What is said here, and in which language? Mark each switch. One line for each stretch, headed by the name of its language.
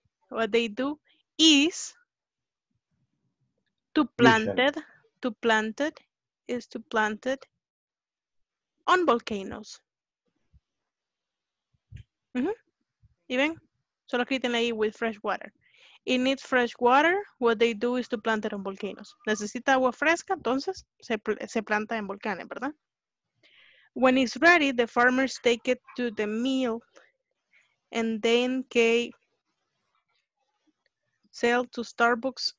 English: What they do is to plant it on volcanoes.
Spanish: Mm-hmm. ¿Y ven? Solo escriben ahí
English: with fresh water. It needs fresh water. What they do is to plant it on volcanoes.
Spanish: Necesita agua fresca, entonces se planta en volcanes, ¿verdad?
English: When it's ready, the farmers take it to the mill and then they sell to Starbucks.